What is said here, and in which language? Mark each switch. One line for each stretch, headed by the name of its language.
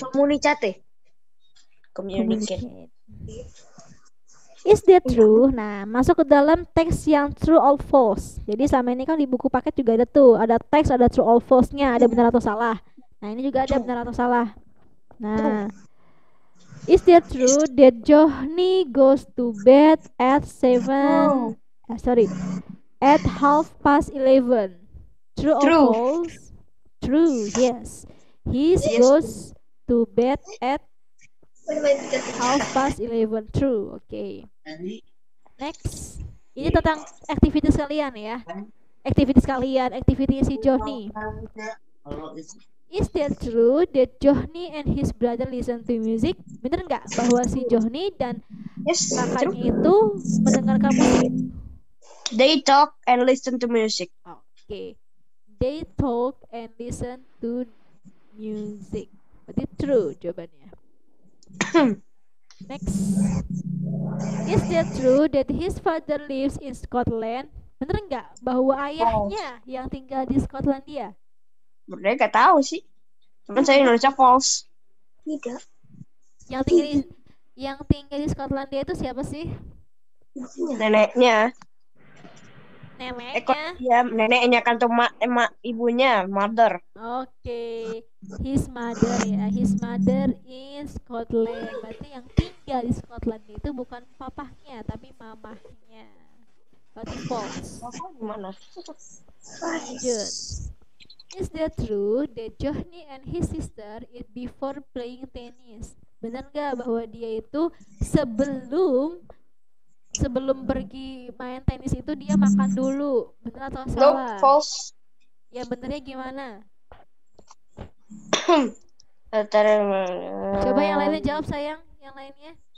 English: Communicate. Communicate. Is that true?
Indonesian: Nah, masuk ke dalam teks yang
English: true or false.
Indonesian: Jadi selama ini kan di buku paket juga ada tuh, ada teks, ada true or false-nya, ada benar atau salah. Nah, ini juga ada benar atau salah.
English: Nah, is that true that Johnny goes to bed at 7? At 11:30. True or false? True, yes. He goes to bed at 11:30. True, okay.
Indonesian: Next, ini tentang aktivitas kalian ya. Aktivitas kalian, aktivitasnya si Johnny.
English: Is that true that Johnny and his brother listen to music?
Indonesian: Bener nggak bahwa si Johnny dan kakaknya itu mendengarkan musik?
English: They talk and listen to music. Okay. They talk and listen to music.
Indonesian: Berarti true jawabannya.
English: Next. Is that true that his father lives in Scotland?
Indonesian: Bener nggak bahwa ayahnya yang tinggal di Skotlandia? Mereka nggak tahu sih. Cuman saya nulisnya false. Tidak. Yang tinggal di Skotlandia itu siapa sih? Neneknya. Neneknya. Neneknya kan tuh emak ibunya, mother.
English: Okay. His mother ya. His mother in Scotland.
Indonesian: Berarti yang tinggal di Skotlandia itu bukan papahnya, tapi mamahnya. Berarti false. Mamah gimana? Lanjut.
English: Is that true that Johnny and his sister eat before playing tennis?
Indonesian: Benar enggak bahwa dia itu sebelum pergi main tenis itu dia makan dulu? Benar atau salah?
English: No, false.
Indonesian: Ya benernya gimana? Coba yang lainnya jawab sayang, yang lainnya.